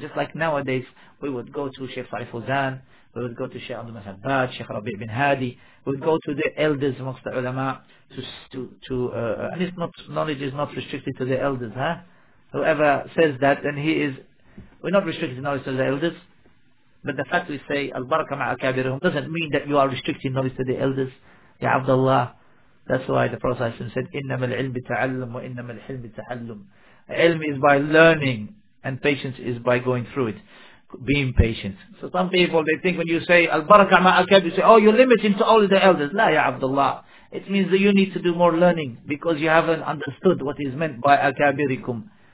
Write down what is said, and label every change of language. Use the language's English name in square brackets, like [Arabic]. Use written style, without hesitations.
[English] Just like nowadays, we would go to Sheikh Saif Fuzan, we would go to Sheikh Abdul Masabad, Sheikh Rabi bin Hadi, we would go to the elders amongst the ulama, and it's not, knowledge is not restricted to the elders, huh? Whoever says that, then he is, we're not restricted to knowledge to the elders, but the fact we say, al-baraka ma'a kabirahum, doesn't mean that you are restricting knowledge to the elders, Ya Abdullah. That's why the Prophet said, [Arabic] إِنَّمَا الْعِلْمِ تَعَلُّمْ وَإِنَّمَا الْحِلْمِ تَعَلُّمْ. [English] Ilm is by learning, and patience is by going through it, being patient. So some people, they think when you say, al-baraka ma akab, you say, oh, you're limiting to only the elders. [Arabic] لا يا عبد الله. [English] It means that you need to do more learning, because you haven't understood what is meant by akabirikum.